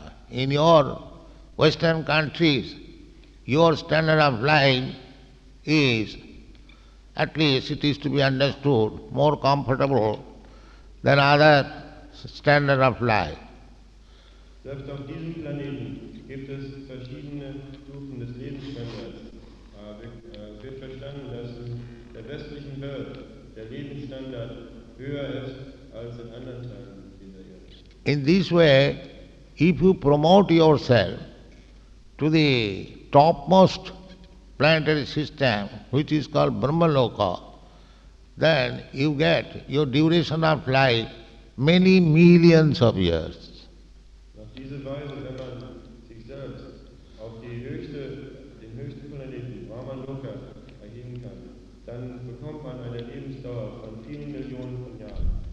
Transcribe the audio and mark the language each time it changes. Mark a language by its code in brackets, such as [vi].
[en] In your Western countries, your standard of life is, at least it is to be understood, more comfortable than other standard of life. [de] Selbst auf diesem Planeten gibt es verschiedene Stufen des Lebensstandards. Wird verstanden, dass in der westlichen Welt der Lebensstandard höher ist als in anderen Teilen in der Erde. [en] In this way, if you promote yourself to the topmost planetary system, which is called Brahmaloka, then you get your duration of life many millions of years. [de] Auf diese Weise, wenn man sich selbst auf die höchste, den höchsten Planeten Brahmaloka erheben kann, dann bekommt man eine Lebensdauer von vielen Millionen von Jahren.